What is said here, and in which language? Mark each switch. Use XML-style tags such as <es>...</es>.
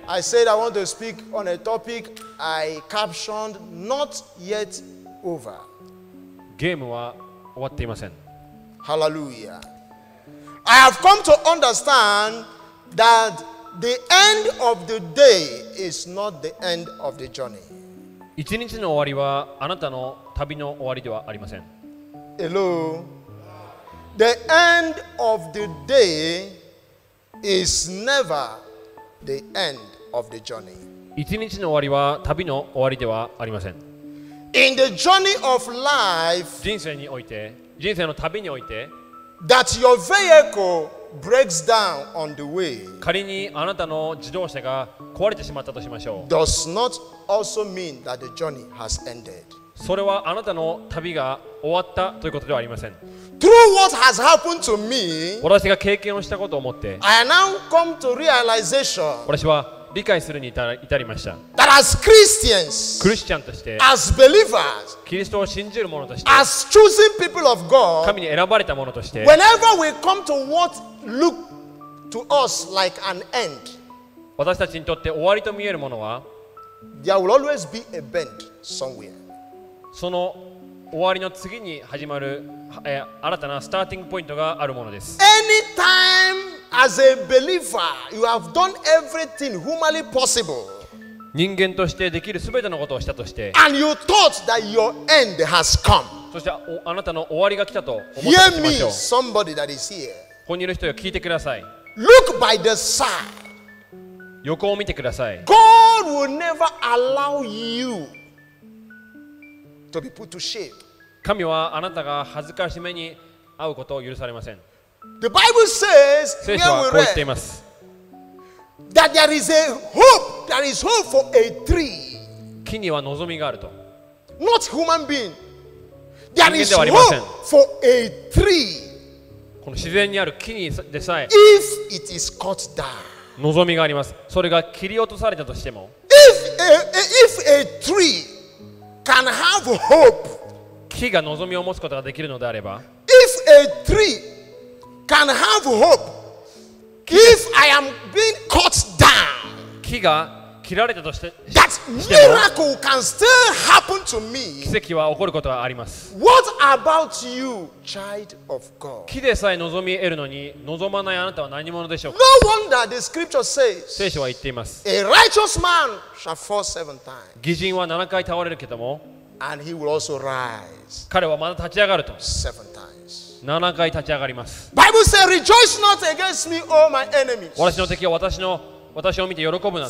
<en>I said I want to speak on a topic I captioned not yet over.</en> <ja>Game wa watteimasen.</ja> <en>Hallelujah. I have come to understand that the end of the day is not the end of the journey.</en> <ja>1 日の終わりはあなたの旅の終わりではありません。</ja> <en>Hello. The end of the day is never the end of the journey.</en> <ja>1 日の終わりは旅の終わりではありません。</ja> <en>In the journey of life,</en> <ja>人生の旅において、</ja> <en>that your vehicle breaks down on the way,</en> <ja>仮にあなたの自動車が壊れてしまったとしましょう。</ja> <en>Does not also mean that the journey has ended.</en> <ja>それはあなたの旅が終わったということではありません。</ja> <en>Through what has happened to me,</en> <ja>私が経験をしたことを思って、</ja> <en>I now come to realization,</en> <ja>私は理解するに至りました。</ja> <en>That as Christians,</en> <ja>クリスチャンとして、</ja> <en>as believers,</en> <ja>キリストを信じる者として、</ja> <en>as chosen people of God,</en> <ja>神に選ばれた者として、</ja> <en>whenever we come to what look to us like an end,</en> <ja>私たちにとって終わりと見えるものは、</ja> <en>there will always be a bend somewhere.</en> <ja>その終わりの次に始まる新たなスターティングポイントがあるものです。</ja> <en>Anytime as a believer, you have done everything humanly possible.</en> <ja>人間としてできるすべてのことをしたとして、</ja> <en>and you thought that your end has come.</en> <ja>そしてあなたの終わりが来たと思ったとしましょう。</ja> <en>Hear me, somebody that is here.</en> <ja>ここにいる人よ、聞いてください。</ja> <en>Look by the side.</en> <ja>横を見てください。</ja> <en>God will never allow you. To be put to shame.</en> <ja>神はあなたが恥ずかしめに遭うことを許されません。</ja> <en>The Bible says,</en> <ja>聖書はこう言っています。</ja> <en>That there is a hope, there is hope for a tree.</en> <ja>木には望みがあると。</ja> <en>Not human being. There is hope for a tree.</en> <ja>この自然にある木にでさえ、</ja> <en>If it is cut down.</en> <ja>望みがあります。それが切り落とされたとしても、</ja> <en>If a tree. Can have hope.</en> <ja>木が望みを持つことができるのであれば、</ja> <en>If a tree can have hope, if I am being cut down,</en> <ja>木が切られたとして、</ja> <en>that miracle can still happen to me.</en> <ja>奇跡は起こることがあります。</ja> <en>What about you, child of God?</en> <ja>木でさえ望み得るのに望まないあなたは何者でしょうか?</ja> <en>No wonder the scripture says,</en> <ja>聖書は言っています。</ja> <en>A righteous man shall fall seven times.</en> <ja>義人は7回倒れるけども、</ja> <en>and he will also rise.</en> <ja>彼はまた立ち上がると。</ja> <en>Seven times.</en> <ja>7回立ち上がります。</ja> <en>Bible says, Rejoice not against me, O my enemies.</en> <ja>私の敵は私を見て喜ぶなと。</ja>